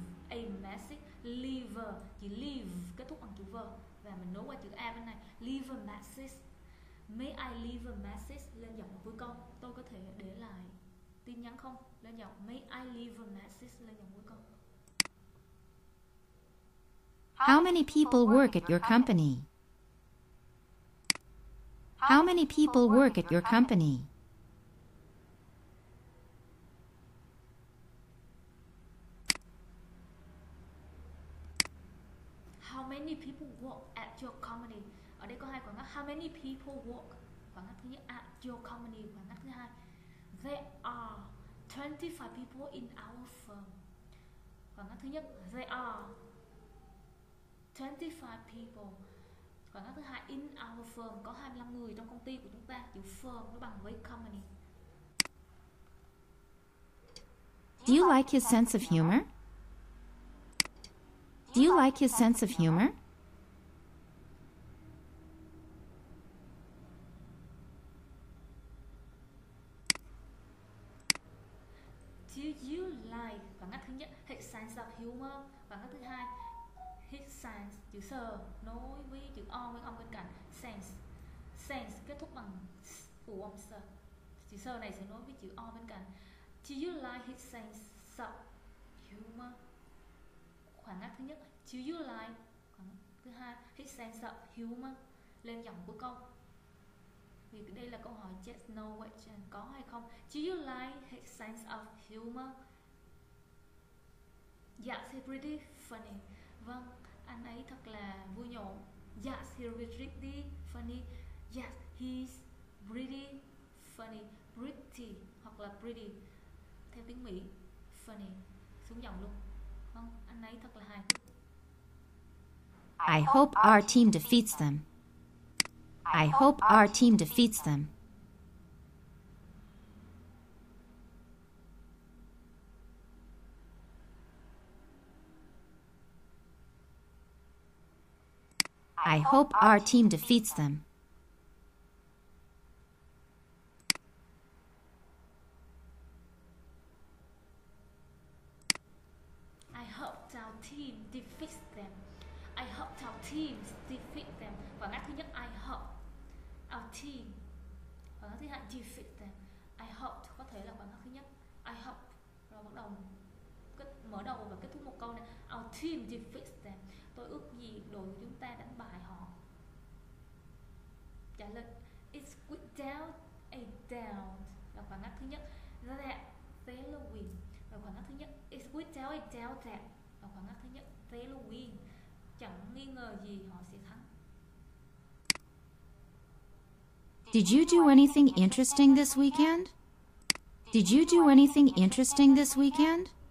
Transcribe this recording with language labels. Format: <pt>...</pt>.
<en>May I leave a message.</en> <vi>Leave, chỉ leave kết thúc bằng chữ v và mình nối qua chữ a bên này.</vi> <en>Leave a message. May I leave a message</en> <vi>lên giọng cuối câu. Tôi có thể để lại tin nhắn không? Lên giọng.</vi> <en>May I leave a message</en> <vi>lên giọng cuối câu.</vi> <en>How many people work at your company? How many people work at your company? How many people work at your company?</en> <vi>Ở đây có hai quả ngắt.</vi> <en>How many people work?</en> <vi>Quả ngắt thứ nhất</vi> <en>at your company.</en> <vi>Quả ngắt thứ hai.</vi> <en>There are 25 people in our firm.</en> <vi>Quả ngắt thứ nhất.</vi> <en>There are 25 people.</en> <vi>Quả ngắt thứ hai.</vi> <en>In our firm.</en> <vi>Có 25 người trong công ty của chúng ta. Chữ firm nó bằng với company.</vi> <en>Do you like his sense of humor? Do you like his sense of humor? Do you like,</en> <vi>và ngắt thứ nhất,</vi> <en>his sense of humor,</en> <vi>và ngắt thứ hai,</vi> <en>his sense,</en> <vi>chữ sờ, nối với chữ o với âm bên cạnh, sense, kết thúc bằng phụ âm sờ, chữ sờ này sẽ nối với chữ o bên cạnh.</vi> <en>Do you like his sense of humor?</en> <vi>Khoảng ngắt thứ nhất,</vi> <en>do you like,</en> <vi>khoảng thứ hai,</vi> <en>his sense of humor,</en> <vi>lên giọng của câu. Vì đây là câu hỏi</vi> <en>yes, no, question,</en> <vi>có hay không.</vi> <en>Do you like his sense of humor? Yes, he's pretty funny.</en> <vi>Vâng, anh ấy thật là vui nhộn.</vi> <en>Yes, he's pretty funny. Yes, he's pretty funny.</en> <vi>Pretty hoặc là pretty theo tiếng Mỹ, funny, xuống giọng luôn. Vâng, anh ấy thật là hài.</vi> <en>I hope our team defeats them. I hope our team defeats them. I hope our team defeats them. I hope our team defeats them. I hope our team defeats them.</en> <vi>Và ngắt thứ nhất,</vi> <en>I hope. Our team.</en> <vi>Và nó thứ hai,</vi> <en>defeat them. I hope.</en> <vi>Có thể là bằng cách thứ nhất I hope rồi bắt đầu kết, mở đầu và kết thúc một câu này</vi> <en>Our team defeats them</en> <vi>tôi ước gì đội chúng ta đánh bại họ trả lời</vi> <en>It's without a doubt</en> <vi>là khoảng cách thứ nhất</vi> <en>that they will win</en> <vi>là khoảng cách thứ nhất</vi> <en>It's without a doubt that</en> <vi>là khoảng cách thứ nhất</vi> <en>they will win</en> <vi>chẳng nghi ngờ gì họ sẽ thắng</vi> <en>Did you do anything interesting this weekend? Did you do anything interesting this weekend?</en>